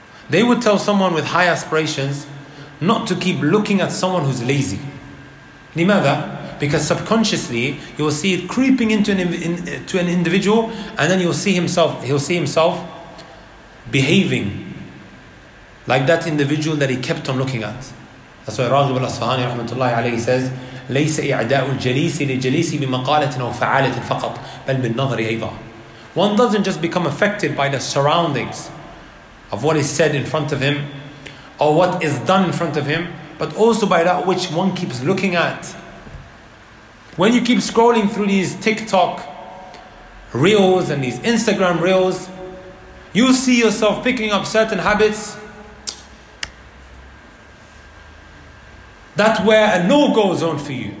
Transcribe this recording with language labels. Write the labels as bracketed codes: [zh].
[en] They would tell someone with high aspirations not to keep looking at someone who's lazy. [ar] لماذا? [en] Because subconsciously, you will see it creeping into an individual, and then you'll see himself, he'll see himself behaving like that individual that he kept on looking at. That's why Raghib al-Asfahani rahmatullahi alayhi says, [ar] ليس إعداء الجليس لجليس بمقالة أو فعالة فقط بل بالنظر أيضا. [en] One doesn't just become affected by the surroundings of what is said in front of him or what is done in front of him, but also by that which one keeps looking at. When you keep scrolling through these TikTok reels and these Instagram reels, you see yourself picking up certain habits that were a no-go zone for you.